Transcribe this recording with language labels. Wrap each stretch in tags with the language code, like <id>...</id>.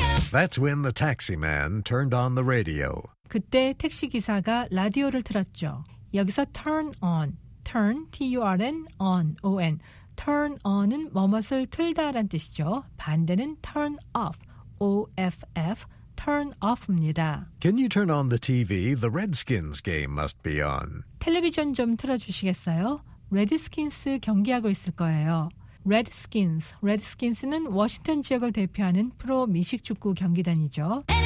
<en>That's when the taxi man turned on the radio.</en> <ko>그때 택시기사가 라디오를 틀었죠.</ko> <en>여기서 turn on, turn, T-U-R-N, on, O-N.</en> <ko>turn on은 무엇을 틀다라는 뜻이죠. 반대는 turn off, O-F-F, turn off입니다.</ko> <en>Can you turn on the TV? The Redskins game must be on.</en> <ko>텔레비전 좀 틀어주시겠어요? 레드스킨스 경기하고 있을 거예요. 레드스킨스, 레드스킨스는 워싱턴 지역을 대표하는 프로 미식축구 경기단이죠.</ko>